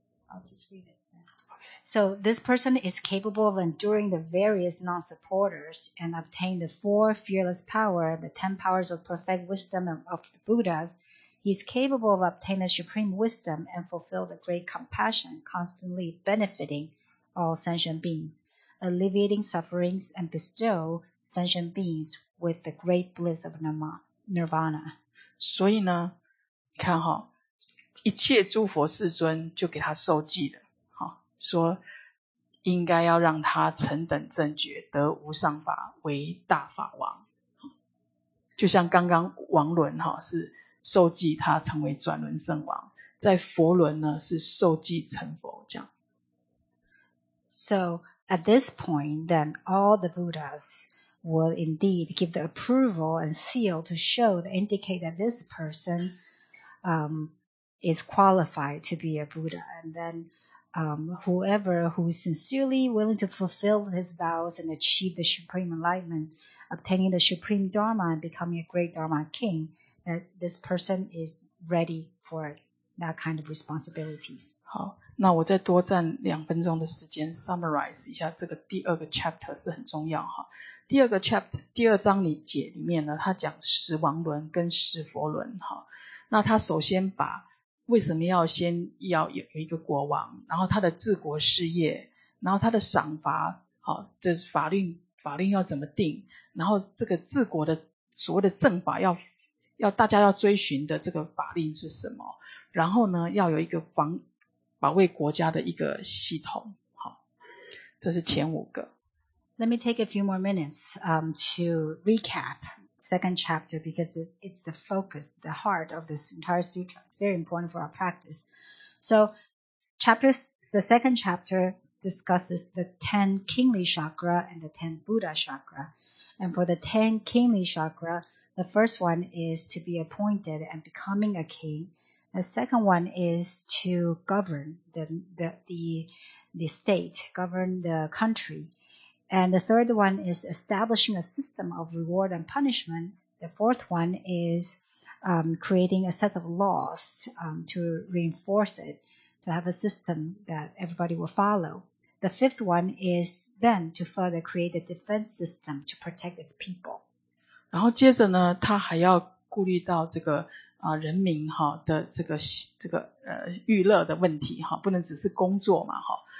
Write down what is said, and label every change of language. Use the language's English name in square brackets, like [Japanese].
[English] I'll just read it. So this person is capable of enduring the various non-supporters and obtain the four fearless power, the 10 powers of perfect wisdom of the Buddhas. He's capable of obtaining the supreme wisdom and fulfill the great compassion, constantly benefiting all sentient beings, alleviating sufferings and bestow sentient beings with the great bliss of nirvana. [Chinese] 所以呢，你看哈，一切诸佛世尊就给他授记了，说应该要让他成等正觉，得无上法为大法王。就像刚刚王伦是受记他成为转轮圣王，在佛轮呢是受记成佛这样。 [English] So at this point, then all the Buddhas will indeed give the approval and seal to show to indicate that this person is qualified to be a Buddha. And then whoever who is sincerely willing to fulfill his vows and achieve the supreme enlightenment, obtaining the supreme Dharma and becoming a great Dharma king. That this person is ready for that kind of responsibilities. [Chinese] 好，那我再多占两分钟的时间 summarize 一下这个第二个 chapter 是很重要哈。第二个 chapter 第二章里面呢，他讲十王轮跟十佛轮哈。那他首先把为什么要有一个国王，然后他的治国事业，然后他的赏罚，好，这法令要怎么定，然后这个治国的所谓的政法要大家要追寻的这个法令是什么，然后呢要有一个保卫国家的一个系统。好，这是前五个。 [English] Let me take a few more minutes to recap second chapter because it's the focus, the heart of this entire sutra. It's very important for our practice. So the second chapter discusses the 10 kingly chakra and the 10 Buddha chakra. And for the 10 kingly chakra, the first one is to be appointed and becoming a king. The second one is to govern the state, govern the country. And the third one is establishing a system of reward and punishment. The fourth one is creating a set of laws to reinforce it, to have a system that everybody will follow. The fifth one is then to further create a defense system to protect its people. [Chinese] 然后接着呢, 他还要顾虑到这个, 人民, 哈, 的这个, 娱乐的问题, 哈, 不能只是工作嘛, 哈。